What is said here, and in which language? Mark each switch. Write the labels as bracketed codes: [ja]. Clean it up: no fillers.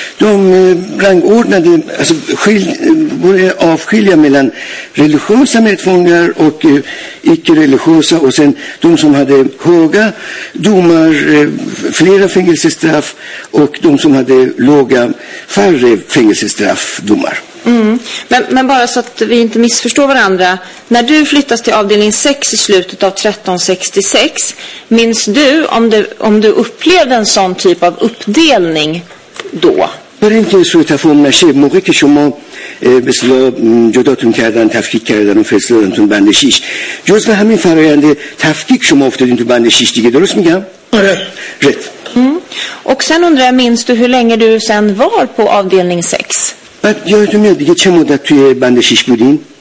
[sv] De rangordnade, alltså började avskilja mellan religiösa medfångar och icke-religiösa, och sen de som hade höga domar, flera fängelsestraff, och de som hade låga, färre fängelsestraffdomar. Men bara så att vi inte missförstår varandra, när du flyttas till avdelning 6 i slutet av 1366, minns du om du upplevde en sån typ av uppdelning då? [fa] برای اینکه صورت تفاهم نشه، موقعی که شما به اصطلاح جداتون کردن، تفکیک کردن و فرستادن تون بند 6، جز به همین فرایند تفکیک شما افتادین تو بند 6 دیگه، درست میگم؟ آره. رد. [sv] Och sen undrar jag, minns du hur länge du sen var på avdelning 6? [fa] بعد یادتون میاد دیگه چه مدت توی بند 6 بودین؟